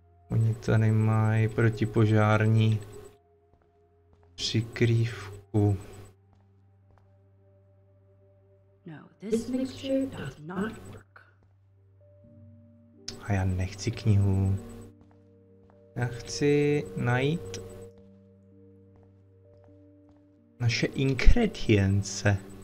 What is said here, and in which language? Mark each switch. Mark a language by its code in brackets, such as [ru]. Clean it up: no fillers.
[cs] Oni tady mají protipožární přikrývku. [en] No, this mixture does not work. [cs] A já nechci knihu. Já chci najít naše ingredience.